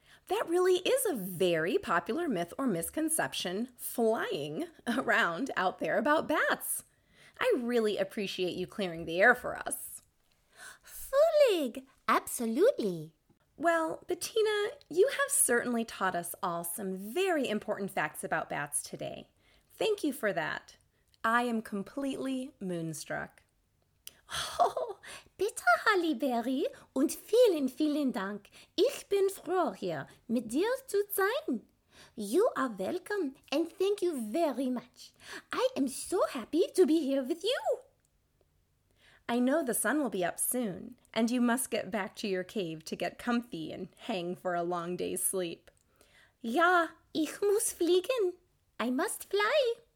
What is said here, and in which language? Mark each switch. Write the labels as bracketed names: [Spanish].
[English] That really is a very popular myth or misconception flying around out there about bats. I really appreciate you clearing the air for us. Völlig, absolutely. Well, Bettina, you have certainly taught us all some very important facts about bats today. Thank you for that. I am completely moonstruck. [German] Oh, bitte, Halle Berry, und vielen, vielen Dank. Ich bin froh, hier mit dir zu sein. [English] You are welcome, and thank you very much. I am so happy to be here with you. I know the sun will be up soon, and you must get back to your cave to get comfy and hang for a long day's sleep. [German] Ja, ich muss fliegen. [English] I must fly.